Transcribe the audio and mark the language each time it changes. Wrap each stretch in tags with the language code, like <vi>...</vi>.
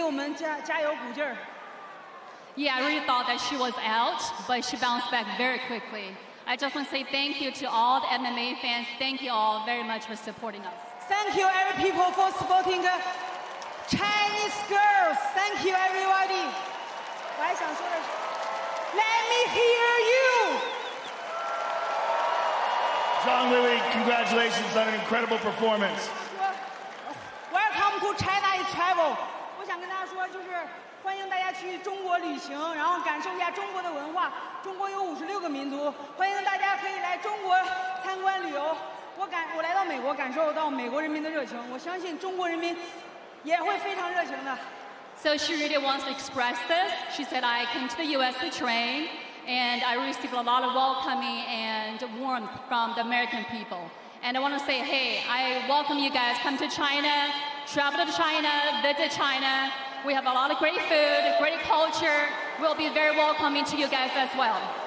<zh>在中间有个回合的时候，你裸脚了他，然后他几乎已经晕过去了。然后你觉得那个时候你是不是以为已经差不多要结束了？对，那个时候他已晕了，我感觉已经结束了。但是第二回合他很快就缓过来了，哇！然后我想感谢所有支持MMA的朋友们来到现场的朋友们，特别开心大家能给我们加油鼓劲儿。Yeah,</zh> <en>I really thought that she was out, but she bounced back very quickly. I just want to say thank you to all the MMA fans. Thank you all very much for supporting us. Thank you, every people, for supporting the Chinese girls. Thank you, everybody. Let me hear you. Zhang Weili, congratulations on an incredible performance. Welcome to China Travel. I want to tell you,</en> <zh>欢迎大家去中国旅行，然后感受一下中国的文化。中国有56个民族，欢迎大家可以来中国参观旅游。我来到美国，感受到美国人民的热情。我相信中国人民也会非常热情的。So</zh> <en>she really wants to express this. She said, "I came to the U.S. to train, and I received a lot of welcoming and warmth from the American people. And I want to say, hey, I welcome you guys. Come to China, travel to China, visit China." We have a lot of great food, great culture. We'll be very welcoming to you guys as well.</en>